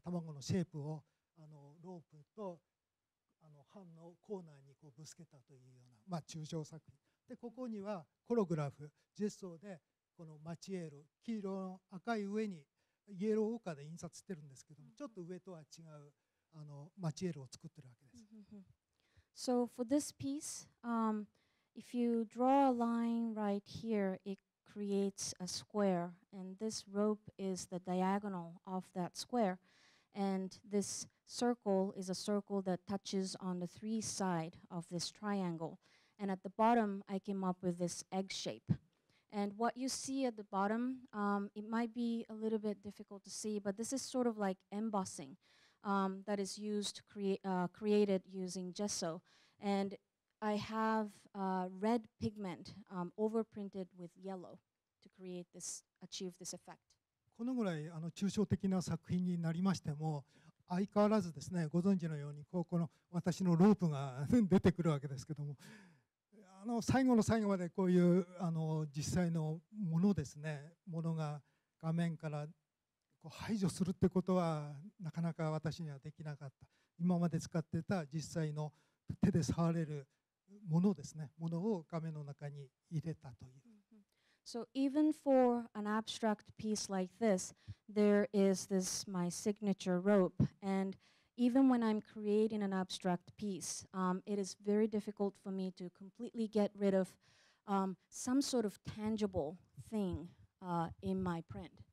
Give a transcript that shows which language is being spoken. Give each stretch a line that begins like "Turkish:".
Japanese: 卵のシェイプをあのロープとあの版のコーナーにこうぶつけたというような、まあ、抽象作品。でここにはコログラフ、ジェッソでこのマチエール、黄色の赤い上にイエローウォーカーで印刷してるんですけども、ちょっと上とは違うあのマチエールを作ってるわけです。
English: So for this piece, if you draw a line right here, it creates a square, and this rope is the diagonal of that square, and this circle is a circle that touches on the three side of this triangle, and at the bottom, I came up with this egg shape. And what you see at the bottom, it might be a little bit difficult to see, but this is sort of like embossing. That is used created using gesso, and I have red pigment overprinted with yellow to create this achieve this effect.
Japanese: このぐらいあの抽象的な作品になりましても、相変わらずですね、ご存知のようにこうこの私のロープが出てくるわけですけども、あの最後の最後までこういうあの実際のものですね、ものが画面から。排除するってことはなかなか私にはできなかった。今まで使ってた実際の手で触れるものですね、ものを画面の中に入れたという。
English: So even for an abstract piece like this, there is this my signature rope. And even when I'm creating an abstract piece, it is very difficult for me to completely get rid of some sort of tangible thing in my print.